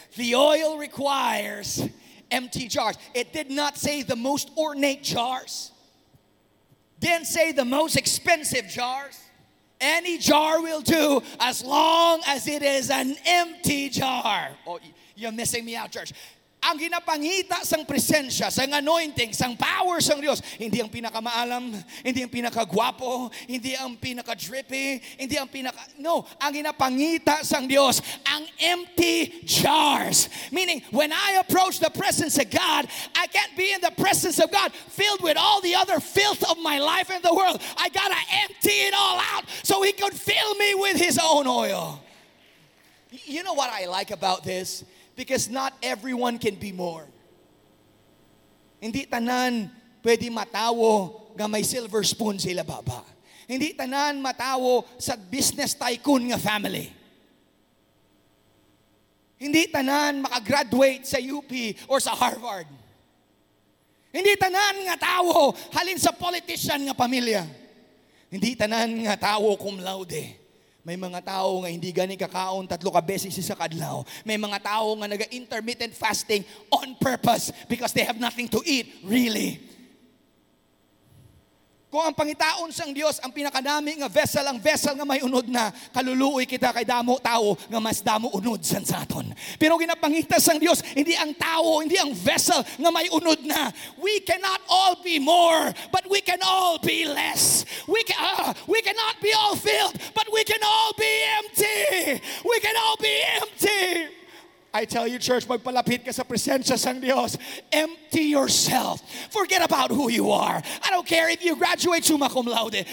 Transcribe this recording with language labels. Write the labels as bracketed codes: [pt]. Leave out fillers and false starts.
[en] The oil requires empty jars. It did not say the most ornate jars. Didn't say the most expensive jars. Any jar will do as long as it is an empty jar. Oh, you're missing me out, church. [hil] Ang ginapangita sang presensya, sang anointing, sang power sang Diyos, hindi ang pinakamaalam, hindi ang pinakagwapo, hindi ang pinakadrippy, hindi ang pinaka... No, ang ginapangita sang Diyos, ang empty jars. [en] Meaning, when I approach the presence of God, I can't be in the presence of God filled with all the other filth of my life and the world. I gotta empty it all out so He could fill me with His own oil. You know what I like about this? Because not everyone can be more. [hil] Hindi tanan pwede matawo nga may silver spoon sila baba. Hindi tanan matawo sa business tycoon nga family. Hindi tanan makagraduate sa UP or sa Harvard. Hindi tanan nga tawo halin sa politician nga pamilya. Hindi tanan nga tawo cum laude. May mga tao nga hindi gani kakaon tatlo ka beses sa kadlaw. May mga tao nga naga-intermittent [en] fasting on purpose because they have nothing to eat, really. [hil] Kung ang pangitaon sang Dios ang pinakadami nga vessel, ang vessel nga may unod na, kaluluoy kita kay damo tao nga mas damo unod san saton. Pero ginapangita sang Dios hindi ang tao, hindi ang vessel nga may unod na. [en] We cannot all be more, but we can all be less. We cannot be all filled, but we can all be empty. We can all be empty. I tell you, church, [hil] magpalapit ka sa presensya sang Dios. [en] Empty yourself. Forget about who you are. I don't care if you graduate summa cum laude.